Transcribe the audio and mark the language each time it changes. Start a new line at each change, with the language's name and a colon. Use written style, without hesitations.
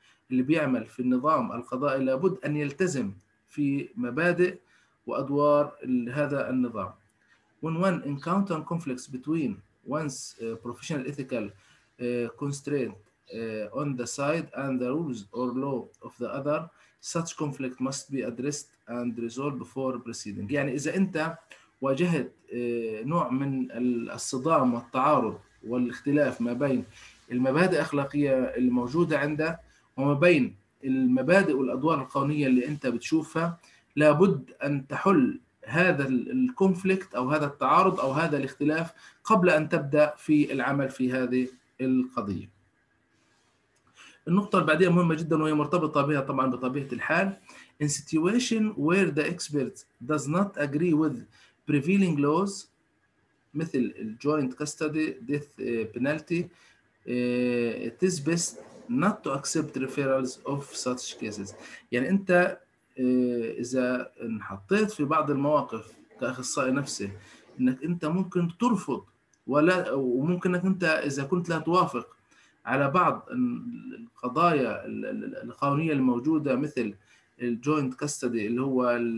Arabic: اللي بيعمل في النظام القضائي لابد أن يلتزم في مبادئ وأدوار هذا النظام.
English: When one encounter conflicts between one's professional ethical constraint on the side and the rules or law of the other, such conflict must be addressed and resolved before proceeding.
Arabic: يعني إذا أنت واجهت نوع من الصدام والتعارض والاختلاف ما بين المبادئ الأخلاقية الموجودة عندك وما بين المبادئ والأدوار القانونية اللي أنت بتشوفها، لابد أن تحل هذا الكونفليكت أو هذا التعارض أو هذا الاختلاف قبل أن تبدأ في العمل في هذه القضية. النقطة البعدية مهمة جدا وهي مرتبطة بها طبعا بطبيعة الحال.
English: In situation where the expert does not agree with prevailing laws مثل joint custody, death penalty, it is best not to accept referrals of such cases.
Arabic: يعني أنت إذا انحطيت في بعض المواقف كأخصائي نفسي أنك أنت ممكن ترفض ولا وممكن أنك أنت إذا كنت لا توافق على بعض القضايا القانونية الموجودة مثل الجوينت كاستدي اللي هو